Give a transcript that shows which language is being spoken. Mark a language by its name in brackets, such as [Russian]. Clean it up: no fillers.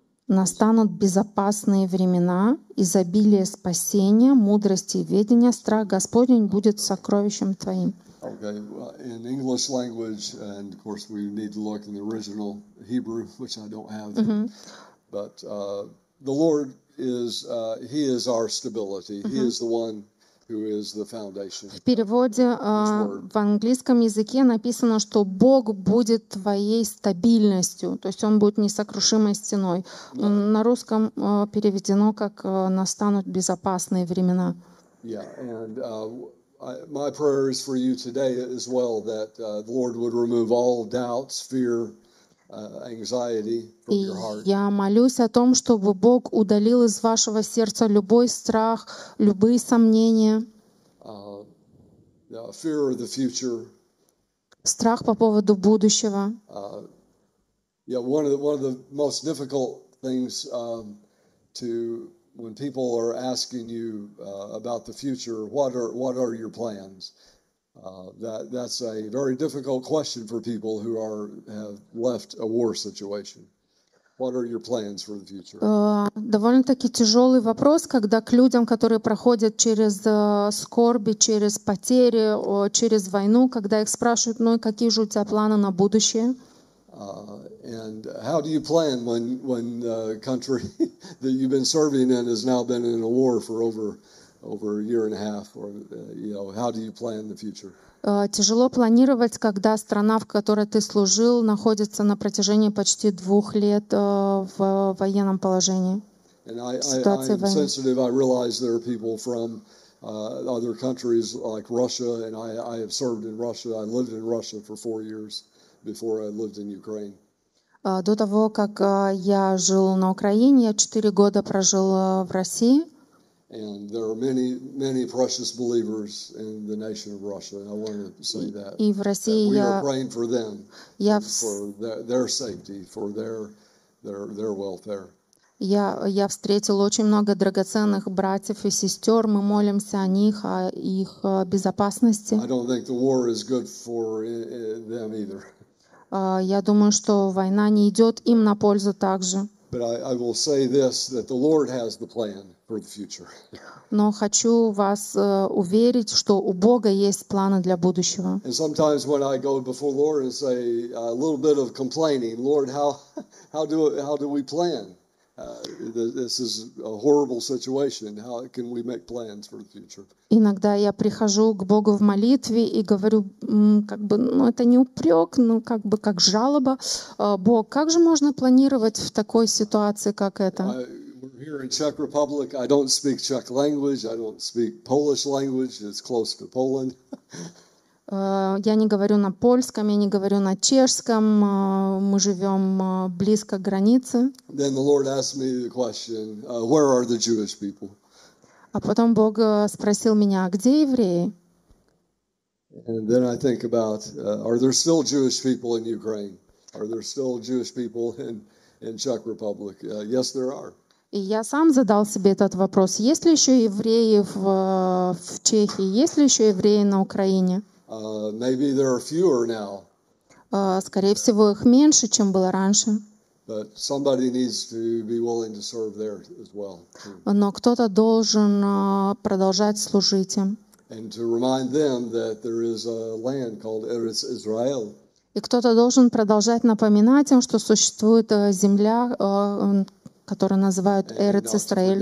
[Russian] Настанут безопасные времена, изобилие спасения, мудрости и ведения, страх Господень будет сокровищем твоим. [English] Okay, in English language, and of course we need to look in the original Hebrew, which I don't have. But the Lord is, He is our stability. He is the one who is the foundation. [Russian] В переводе в английском языке написано, что Бог будет твоей стабильностью, то есть Он будет несокрушимой стеной. [English] No. [Russian] На русском переведено как «настанут безопасные времена». [English] Yeah, and, my prayer is for you today as well that the Lord would remove all doubts, fear, anxiety from your heart. [Russian] Я молюсь о том, чтобы Бог удалил из вашего сердца любой страх, любые сомнения. [English] Fear of the future. [Russian] Страх по поводу будущего. [English] Yeah, one of the most difficult things to when people are asking you about the future, what are your plans? That's a very difficult question for people who have left a war situation. What are your plans for the future? [Russian] Довольно-таки тяжелый вопрос, когда к людям, которые проходят через скорби, через потери, через войну, когда их спрашивают, ну и какие же у тебя планы на будущее? [English] And how do you plan when the country that you've been serving in has now been in a war for over a year and a half, or you know, how do you plan the future? [Russian] Тяжело планировать, когда страна, в которой ты служил, находится на протяжении почти 2 лет в военном положении. [English] And I'm sensitive. I realize there are people from other countries like Russia, and I have served in Russia. I lived in Russia for 4 years before I lived in Ukraine. [Russian] До того, как я жил на Украине, я 4 года прожил в России. [English] And there are many, many precious believers in the nation of Russia. I want to say that. [Russian] И в России [English] we are praying for them, for their safety, for their welfare. [Russian] Я встретил очень много драгоценных братьев и сестер. Мы молимся о них, о их безопасности. [English] I don't think the war is good for them either. [Russian] Я думаю, что война не идет им на пользу также. [English] But I will say this, that the Lord has the plan for the future. [Russian] Но хочу вас уверить, что у Бога есть планы для будущего. [English] And sometimes when I go before the Lord and say a little bit of complaining, Lord, how do we plan? This is a horrible situation. How can we make plans for the future? [Russian] Иногда я прихожу к Богу в молитве и говорю, как бы, ну это не упрек, ну как бы как жалоба. Бог, как же можно планировать в такой ситуации, как это? [English] We're here in Czech Republic. I don't speak Czech language. I don't speak Polish language. It's close to Poland. [Russian] Я не говорю на польском, я не говорю на чешском. Мы живем близко к границе. [English] Then the Lord asked me the question, where are the Jewish people? [Russian] А потом Бог спросил меня, а где евреи? [English] And then I think about, are there still Jewish people in Ukraine? Are there still Jewish people in Czech Republic? Yes, there are. [Russian] И я сам задал себе этот вопрос. Есть ли еще евреи в Чехии? Есть ли еще евреи на Украине? [English] Maybe there are fewer now. [Russian] Скорее всего, их меньше, чем было раньше. [English] But somebody needs to be willing to serve there as well. [Russian] Но кто-то должен продолжать служить им. [English] And to remind them that there is a land called Eretz Israel. [Russian] И кто-то должен продолжать напоминать им, что существует земля, которую называют Эрец Израиль.